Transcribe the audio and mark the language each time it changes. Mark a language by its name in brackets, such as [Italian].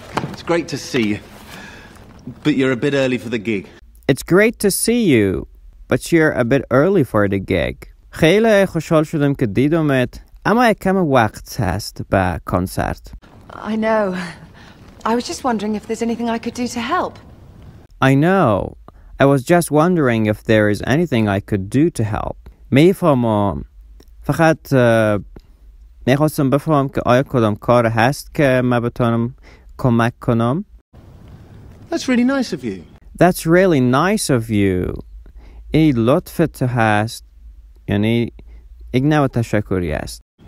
[English] It's great to see you, but you're a bit early for the gig. It's great to see you, but you're a bit early for the gig. [Persian] خیلی خوشحال شدم که دیدمت. اما یک کم وقت هست به کنسرت. [English] I know. I was just wondering if there's anything I could do to help. I know. I was just wondering if there is anything I could do to help. [Persian] می فهمم. فقط می خواستم بفهمم که آیا کدام کار هست که من بتونم کمک کنم. [English] That's really nice of you. That's really nice of you. [Persian] ای لطف تو هست. یعنی یک نوع تشکری است.